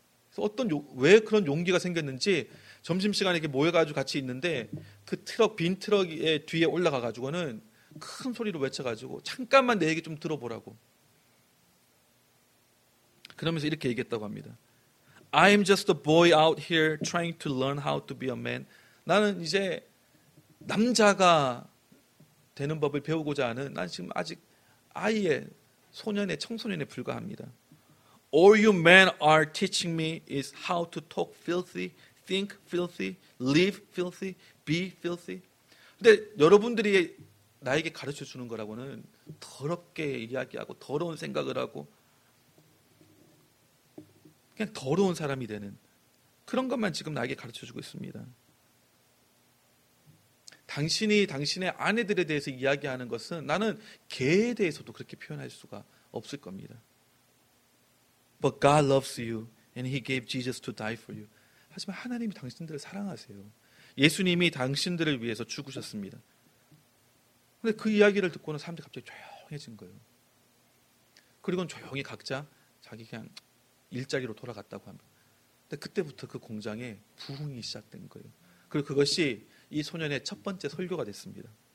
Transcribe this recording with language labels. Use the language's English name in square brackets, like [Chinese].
[Korean] 그래서 어떤 왜 그런 용기가 생겼는지 점심시간에 이렇게 모여가지고 같이 있는데 그 트럭, 빈 트럭의 뒤에 올라가가지고는 큰 소리로 외쳐가지고 잠깐만 내 얘기 좀 들어보라고, 그러면서 이렇게 얘기했다고 합니다. [English] I am just a boy out here trying to learn how to be a man. [Korean] 나는 이제 남자가 되는 법을 배우고자 하는, 난 지금 아직 아이의 소년의 청소년에 불과합니다. [English] All you men are teaching me is how to talk filthy, think filthy, live filthy, be filthy. [Korean] 근데 여러분들이 나에게 가르쳐 주는 거라고는 더럽게 이야기하고 더러운 생각을 하고 그냥 더러운 사람이 되는 그런 것만 지금 나에게 가르쳐 주고 있습니다. 당신이 당신의 아내들에 대해서 이야기하는 것은 나는 개에 대해서도 그렇게 표현할 수가 없을 겁니다. [English] But God loves you and he gave Jesus to die for you. [Korean] 하지만 하나님이 당신들을 사랑하세요. 예수님이 당신들을 위해서 죽으셨습니다. 근데 그 이야기를 듣고는 사람들이 갑자기 조용해진 거예요. 그리고는 조용히 각자 자기 그냥 일자리로 돌아갔다고 합니다. 근데 그때부터 그 공장에 부흥이 시작된 거예요. 그리고 그것이 이 소년의 첫 번째 설교가 됐습니다.